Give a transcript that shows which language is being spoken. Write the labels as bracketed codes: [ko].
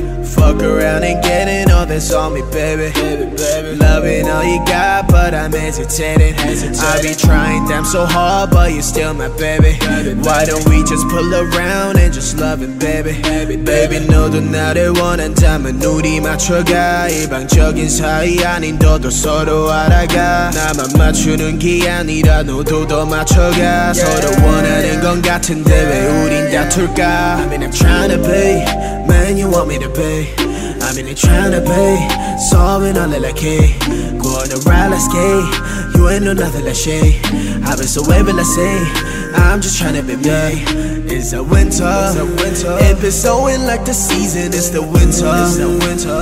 [en] Fuck around and getting all this on me, baby. Loving all you got, but I'm hesitating. I be trying damn so hard, but you're still my baby. Why don't we just pull around and just love it, baby? [ko] Baby, 너도 나를 원한 다면 눈이 맞춰가. 일방적인 사이 아닌 너도 서로 알아가. 나만 맞추는 게 아니라 너도 더 맞춰가. 서로 원하는 건 같은데 왜 우린 다툴까? [en] I mean I'm trying to be, man you want me to be. I mean I'm trying to be, solving all that like hate. Going around like skate, you ain't no nothing like shade. I've been so wavy like say, I'm just trying to be me. It's the winter, if it's snowing like the season, it's the winter.